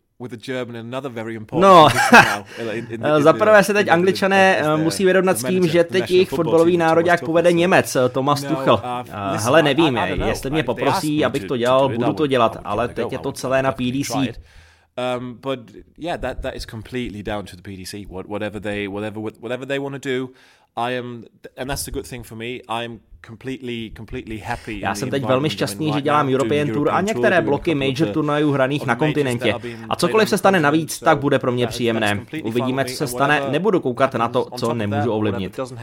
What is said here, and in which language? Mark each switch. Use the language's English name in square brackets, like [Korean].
[English] with a German and another very important. [Czech] No, zaprvé se teď Angličané musí vyrovnat s tím, že teď jejich fotbalový nároďák povede Němec, Thomas Tuchel. Hele, nevím, jestli mě poprosí, abych to dělal, budu to dělat, ale teď je to celé na PDC. [English] But yeah, that is completely down to the PDC. Whatever they want to do, I am, and that's the good thing for me. I am completely happy. [Czech] Já jsem teď velmi šťastný, že dělám European Tour a některé bloky major turnajů hraných na kontinentě. A cokoliv se stane navíc, tak bude pro mě příjemné. Uvidíme, co se stane. Nebudu koukat na to, co nemůžu ovlivnit.